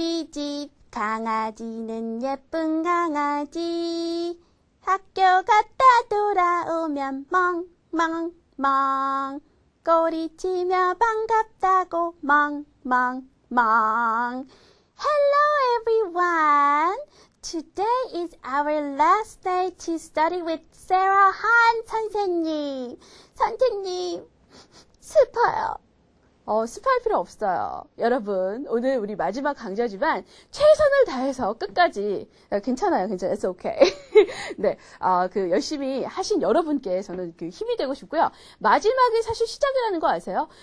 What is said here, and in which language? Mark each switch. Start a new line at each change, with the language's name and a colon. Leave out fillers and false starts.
Korean: 집 강아지는 예쁜 강아지. 학교 갔다 돌아오면 멍, 멍, 멍. 꼬리치며 반갑다고 멍, 멍, 멍.
English: Hello everyone. Today is our last day to study with Sarah Han 선생님.
Korean: 선생님, 슬퍼요. 슬퍼할 필요 없어요. 여러분, 오늘 우리 마지막 강좌지만 최선을 다해서 끝까지 괜찮아요. 괜찮아요.
English: It's okay.
Korean: 네, 그 열심히 하신 여러분께 저는 그 힘이 되고 싶고요. 마지막이 사실 시작이라는 거 아세요?